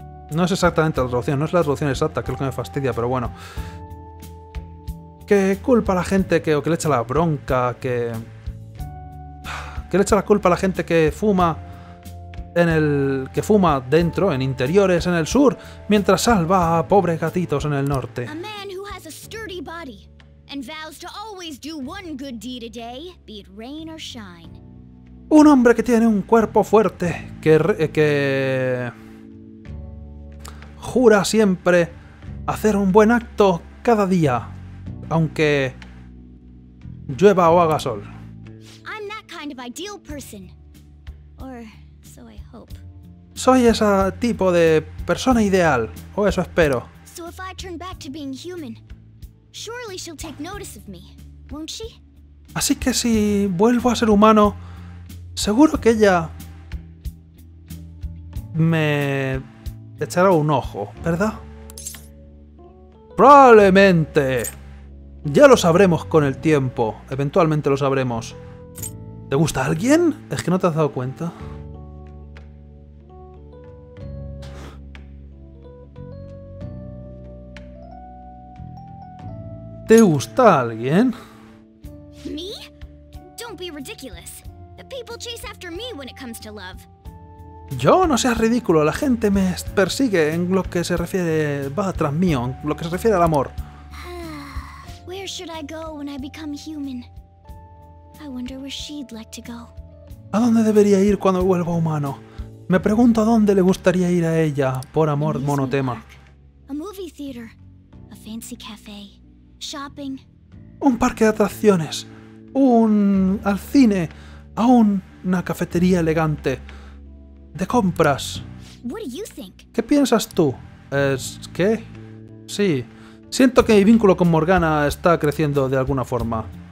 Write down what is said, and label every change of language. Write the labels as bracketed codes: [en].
[es] No es exactamente la traducción, no es la traducción exacta, que es lo que me fastidia, pero bueno. Que culpa a la gente que... o que le echa la bronca, que... Que le echa la culpa a la gente que fuma... En el... Que fuma dentro, en interiores, en el sur, mientras salva a pobres gatitos en el norte. [en] A man who has a sturdy body and vows to always do one good deed a day, be it rain or shine. [es] Un hombre que tiene un cuerpo fuerte, que jura siempre hacer un buen acto cada día, aunque llueva o haga sol. [en] I'm that kind of ideal person. Or so I hope. [es] Soy ese tipo de persona ideal, o eso espero. [en] So if I turn back to being human, surely she'll take notice of me, won't she? [es] Así que si vuelvo a ser humano, seguro que ella me echará un ojo, ¿verdad? Probablemente. Ya lo sabremos con el tiempo. Eventualmente lo sabremos. ¿Te gusta alguien? Es que no te has dado cuenta. ¿Te gusta alguien? [en] ¿Me? Don't be ridiculous. People chase after me when it comes to love. [es] Yo, no seas ridículo, la gente me persigue en lo que se refiere, va tras mío, en lo que se refiere al amor. [en] Where should I go when I become human? I wonder where she'd like to go. [es] ¿A dónde debería ir cuando vuelva humano? Me pregunto a dónde le gustaría ir a ella, por amor, monotema. [en] A movie theater, a fancy cafe, shopping. [es] Un parque de atracciones, al cine. A una cafetería elegante. De compras. ¿Qué piensas tú? ¿Es qué? Sí. Siento que mi vínculo con Morgana está creciendo de alguna forma.